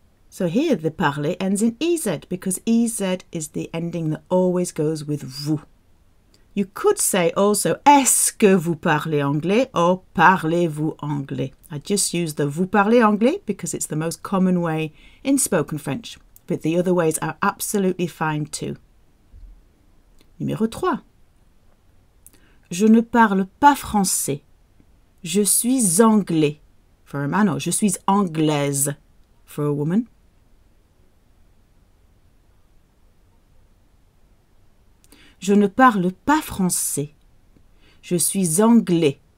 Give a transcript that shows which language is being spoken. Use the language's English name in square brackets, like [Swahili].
[English] So here the parler ends in EZ because EZ is the ending that always goes with vous. You could say also, [French] est-ce que vous parlez anglais [English] or [French] parlez-vous anglais? [English] I just use the [French] vous parlez anglais [English] because it's the most common way in spoken French. But the other ways are absolutely fine too. [French] Numéro 3. Je ne parle pas français. Je suis anglais. [English] For a man, or [French] je suis anglaise. [English] For a woman. [French] Je ne parle pas français. Je suis anglais.